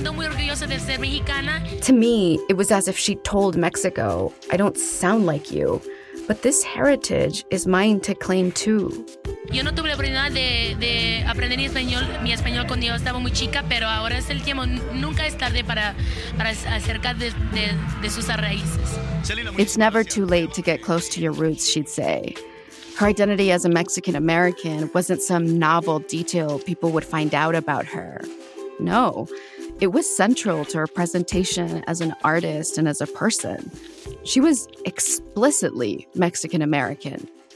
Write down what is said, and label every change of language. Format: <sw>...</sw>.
<en>To me, it was as if she told Mexico, I don't sound like you. But this heritage is mine to claim too.</en> <es>Yo no tuve la oportunidad de aprender mi español cuando yo estaba muy chica, pero ahora es el tiempo. Nunca es tarde para acercar de sus raíces.</es> <en>It's never too late to get close to your roots, she'd say. Her identity as a Mexican American wasn't some novel detail people would find out about her. No, it was central to her presentation as an artist and as a person. She was explicitly Mexican-American.</en>